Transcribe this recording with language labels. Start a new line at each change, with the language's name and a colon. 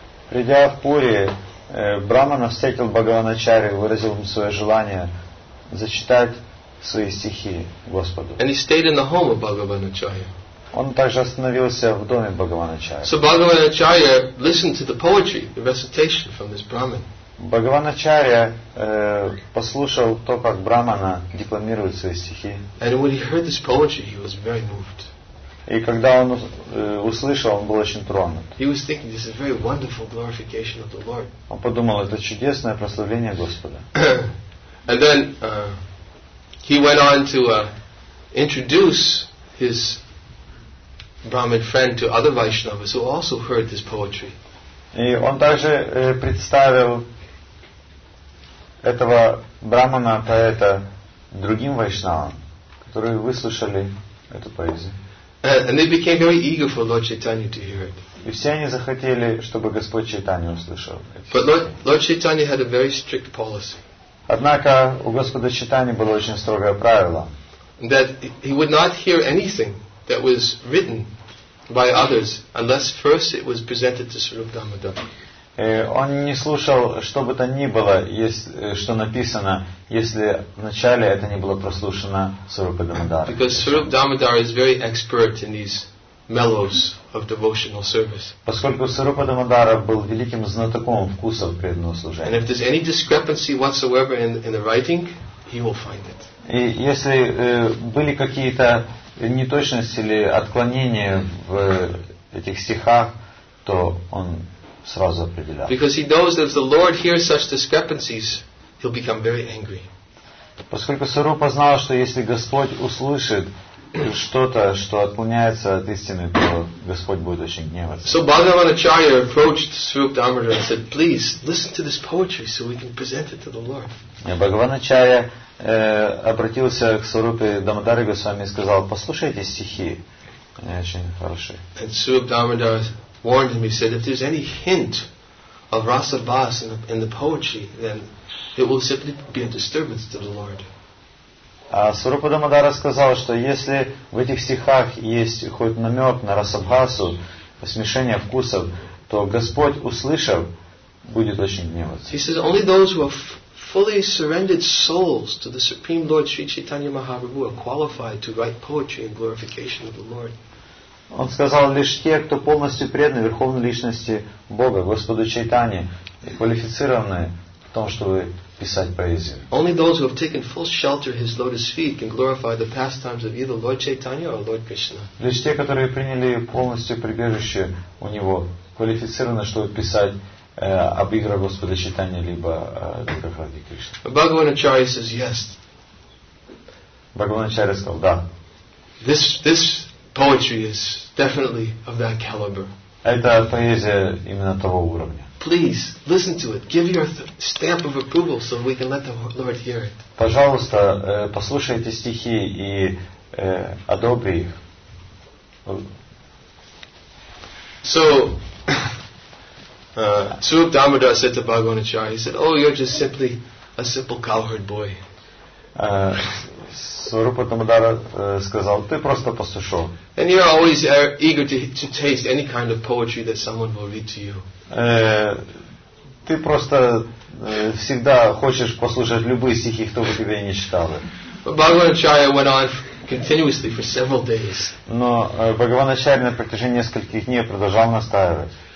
Russian: Придя в Пури, Брахмана встретил Бхагаван Ачарья и выразил ему свое желание зачитать свои стихи Господу.
English: And he stayed in the home of Bhagavan Acharya.
Russian: Он также остановился в доме Бхагавана Ачарья.
English: So Bhagavan Acharya listened to the poetry, the recitation from this Brahmin.
Russian: Бхагаван Ачарья послушал то, как Брахмана декламирует свои стихи.
English: And when he heard this poetry, he was very moved.
Russian: И когда он услышал, он был очень тронут.
English: He was thinking, this is very wonderful glorification of the Lord.
Russian: Он подумал, это чудесное прославление Господа.
English: And then he went on to introduce his Brahmin friend to other Vaishnavas who also heard this poetry.
Russian: И он также представил этого брахмана поэта другим вайшнавам, которые выслушали эту поэзию. И все они захотели, чтобы Господь Чайтанья услышал.
English: Lord Chaitanya had a very strict policy.
Russian: Однако у Господа Чайтаньи было очень строгое правило.
English: That he would not hear anything that was written by others unless first it was presented to Swarup Damodara.
Russian: Он не слушал, что бы то ни было, что написано, если вначале это не было прослушано Сурупа Дамодара.
English: Because Swarup Damodara is very expert in these mellows of devotional service.
Russian: Поскольку Сурупа Дамодара был великим знатоком вкусов преданного служения.
English: And if there's any discrepancy whatsoever in the writing, he will find it.
Russian: И если были какие-то неточности или отклонения в этих стихах, то он сразу определял.
English: Because he knows that if the Lord hears such discrepancies, he'll become very angry.
Russian: Поскольку Сарупа знал, что если Господь услышит что-то, что отклоняется от истины, то Господь будет очень гневаться.
English: So Bhagavan Acharya approached Swarup Damodara and said, please listen to this poetry so we can present it to the Lord.
Russian: Бхагаван Ачарья обратился к Сарупе Дамодаре Госвами и сказал, послушайте стихи, они очень хорошие.
English: And Swarup Damodara warned him, he said, if there's any hint of rasa bhas in the poetry, then it will simply be a disturbance to the Lord.
Russian: А Сурупа Дамодара сказал, что если в этих стихах есть хоть намек на расабхасу, смешение вкусов, то Господь, услышав, будет очень гневаться.
English: He says, only those who have fully surrendered souls to the Supreme Lord Sri Chaitanya Mahaprabhu are qualified to write poetry in glorification of the Lord.
Russian: Он сказал, лишь те, кто полностью преданы Верховной Личности Бога, Господу Чайтане, квалифицированы в том, чтобы писать поэзию.
English: Only those who have taken full shelter his lotus feet can glorify the pastimes of either Lord Chaitanya or Lord Krishna.
Russian: Лишь те, которые приняли полностью прибежище у него, квалифицированы, чтобы писать об играх Господа Чайтанья либо играх Ради Кришны.
English: Bhagavan Acharya says yes.
Russian: Bhagavan Acharya сказал да.
English: This poetry is definitely of that caliber.
Russian: Это поэзия именно того уровня.
English: Please listen to it. Give your stamp of approval so we can let the Lord hear it.
Russian: Пожалуйста, послушайте стихи и одобри их.
English: So, Swarup Damodar said to Bhagavan Acharya, he said, "Oh, you're just simply a simple cowherd boy."
Russian: Swarup Damodar сказал, "Ты просто пастушок."
English: And you're always eager to taste any kind of poetry that someone will read to you.
Russian: Ты просто всегда хочешь послушать любые стихи, кто бы тебя не читал.
English: Bhagavan Acharya went on continuously for several days.
Russian: Но Бхагаван Ачарья на протяжении нескольких дней продолжал настаивать.